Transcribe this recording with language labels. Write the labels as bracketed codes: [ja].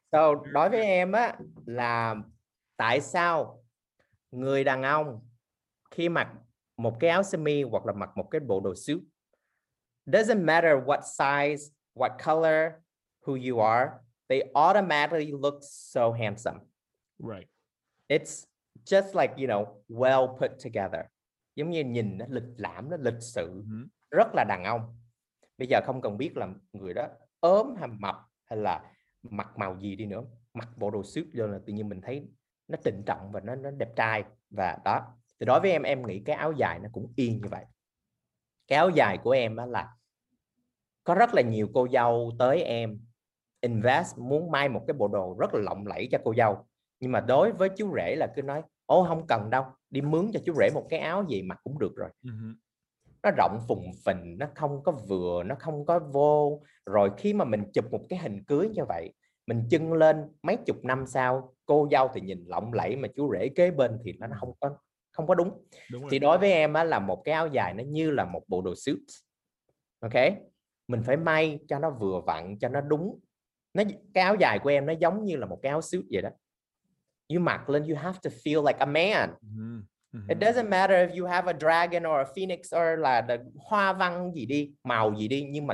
[vi] So, đối với em á là tại sao người đàn ông khi mặc một cái áo sơ mi hoặc là mặc một cái bộ đồ suit, [en] doesn't matter what size, what color, who you are, they automatically look so handsome. Right. It's just like, well put together. [vi] Giống như nhìn nó lịch lãm, nó lịch sự, rất là đàn ông. Bây giờ không cần biết là người đó ốm hay mập hay là mặc màu gì đi nữa, mặc bộ đồ suit vô là tự nhiên mình thấy nó trịnh trọng và nó đẹp trai. Và đó, thì đối với em nghĩ cái áo dài nó cũng y như vậy. Cái áo dài của em á là có rất là nhiều cô dâu tới em invest muốn may một cái bộ đồ rất là lộng lẫy cho cô dâu, nhưng mà đối với chú rể là cứ nói ô không cần đâu, đi mướn cho chú rể một cái áo gì mặc cũng được rồi, nó rộng phùng phình, nó không có vừa, nó không có vô. Rồi khi mà mình chụp một cái hình cưới như vậy, mình chưng lên mấy chục năm sau, cô dâu thì nhìn lộng lẫy mà chú rể kế bên thì nó không có đúng. Đúng Thì đối với em á là một cái áo dài nó như là một bộ đồ suit. Ok, mình phải may cho nó vừa vặn, cho nó đúng. Nó cái áo dài của em nó giống như là một cái áo suit vậy đó. [en] You [vi] mặc lên, [en] you have to feel like a man. It doesn't matter if you have a dragon or a phoenix or [vi] là hoa văn gì đi, màu gì đi, nhưng mà